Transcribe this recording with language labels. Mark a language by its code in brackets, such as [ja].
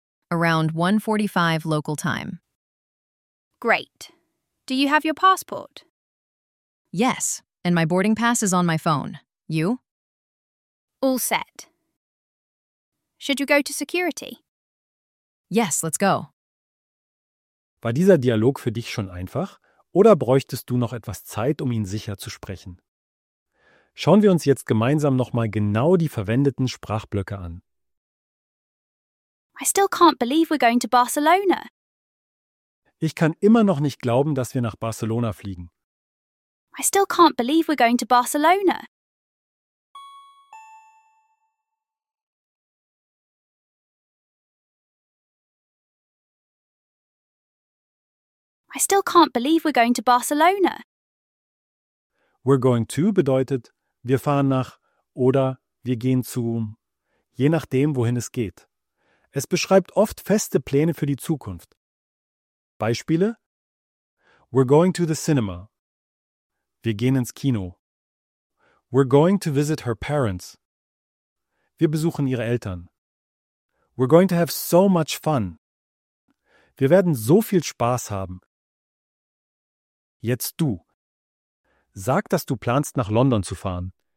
[en] Around 1:45 local time. Great. Do you have your passport? Yes, and my boarding pass is on my phone. You? All set. Should you go to security? Yes, let's go. [de] War dieser Dialog für dich schon einfach oder bräuchtest du noch etwas Zeit, um ihn sicher zu sprechen? Schauen wir uns jetzt gemeinsam nochmal genau die verwendeten Sprachblöcke an. [en] I still can't believe we're going to Barcelona. [de] Ich kann immer noch nicht glauben, dass wir nach Barcelona fliegen. [en] I still can't believe we're going to Barcelona. I still can't believe we're going to Barcelona. We're going to [de] bedeutet, wir fahren nach oder wir gehen zu, je nachdem, wohin es geht. Es beschreibt oft feste Pläne für die Zukunft. [en] Beispiele: We're going to the cinema. [de] Wir gehen ins Kino. [en] We're going to visit her parents. [de] Wir besuchen ihre Eltern. [en] We're going to have so much fun. [de] Wir werden so viel Spaß haben. Jetzt du. Sag, dass du planst, nach London zu fahren.